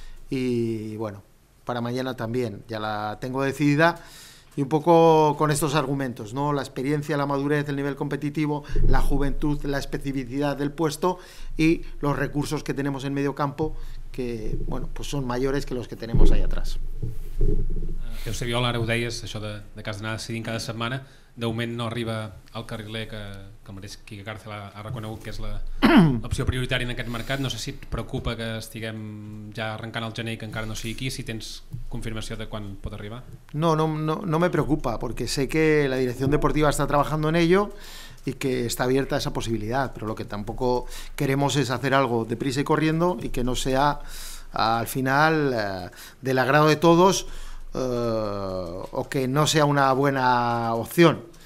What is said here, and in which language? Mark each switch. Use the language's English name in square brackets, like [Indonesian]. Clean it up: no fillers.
[Spanish] Y bueno, para mañana también ya la tengo decidida. Y un poco con estos argumentos, ¿no? La experiencia, la madurez, el nivel competitivo, la juventud, la especificidad del puesto y los recursos que tenemos en medio campo, que bueno, pues son mayores que los que tenemos ahí atrás. [Catalan] Eusebio, ara ho deies, això de que has d'anar decidint cada setmana, de moment no arriba al carriler que el mateix Quique Cárcel ha reconegut que és l'opció prioritària en aquest mercat. No sé si et preocupa que estiguem ja arrencant el gener i que encara no sigui aquí, si tens confirmació de quan pot arribar. [Spanish] No me preocupa, porque sé que la dirección deportiva está trabajando en ello y que está abierta a esa posibilidad, pero lo que tampoco queremos es hacer algo deprisa y corriendo y que no sea al final del agrado de todos o que no sea una buena opción.